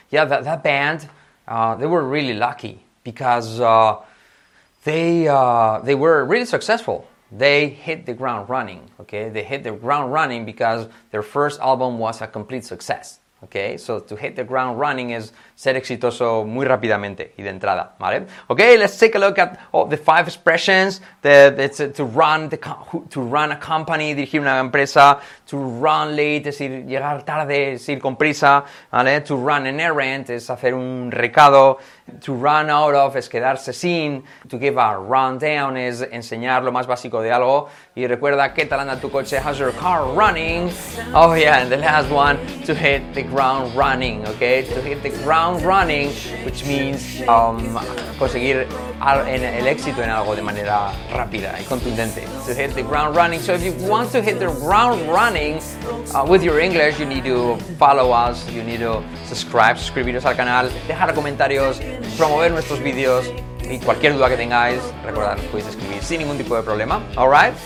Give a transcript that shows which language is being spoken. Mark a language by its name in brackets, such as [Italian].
[English] Yeah, that band, they were really lucky because they were really successful. They hit the ground running, okay? They hit the ground running because their first album was a complete success, okay? So to hit the ground running is [Spanish] ser exitoso muy rápidamente y de entrada, ¿vale? [English] Okay, let's take a look at all the 5 expressions. To run a company, [Spanish] dirigir una empresa. [English] To run late, [Spanish] es decir, llegar tarde, es ir con prisa, ¿vale? [English] To run an errand, [Spanish] es hacer un recado. [English] To run out of, [Spanish] es quedarse sin. [English] To give a rundown, [Spanish] es enseñar lo más básico de algo. Y recuerda, ¿qué tal anda tu coche? [English] How's your car running? Oh, yeah, and the last one, to hit the ground running, okay? To hit the ground running, which means [Spanish] conseguir el éxito en algo de manera rápida y contundente. [English] To hit the ground running. So if you want to hit the ground running with your English, you need to follow us, you need to subscribe, [Spanish] suscribiros al canal, dejar comentarios, promover nuestros vídeos y cualquier duda que tengáis, recordad, podéis escribir sin ningún tipo de problema. [English] Alright?